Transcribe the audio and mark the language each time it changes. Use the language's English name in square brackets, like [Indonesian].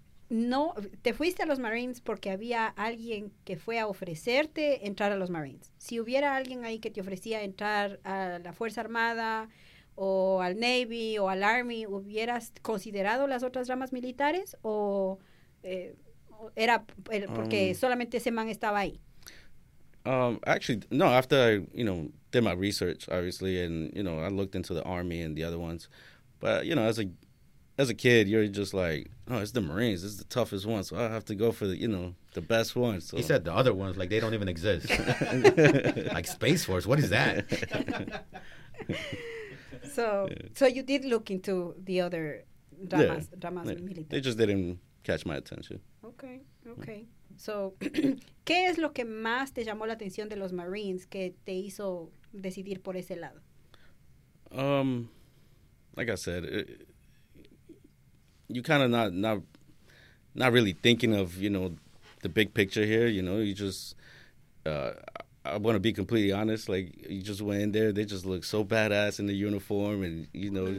[Spanish] No, te fuiste a los Marines porque había alguien que fue a ofrecerte entrar a los Marines. Si hubiera alguien ahí que te ofrecía entrar a la Fuerza Armada o al Navy o al Army, ¿hubieras considerado las otras ramas militares o era porque solamente ese man estaba ahí? [English] After I, you know, did my research, obviously, and, you know, I looked into the Army and the other ones, but, you know, as a as a kid, you're just like, oh, it's the Marines. It's the toughest one. So I have to go for the, you know, the best one. So. He said the other ones, like, they don't even exist. Like Space Force. What is that? So so you did look into the other dramas, dramas military. They just didn't catch my attention. Okay. [Spanish] So, ¿qué es lo que más te llamó la atención de los Marines que te hizo decidir por ese lado? [English] Like I said, you kind of not really thinking of, you know, the big picture here. You know, you just, I want to be completely honest, like, you just went in there, they just look so badass in the uniform, and, you know.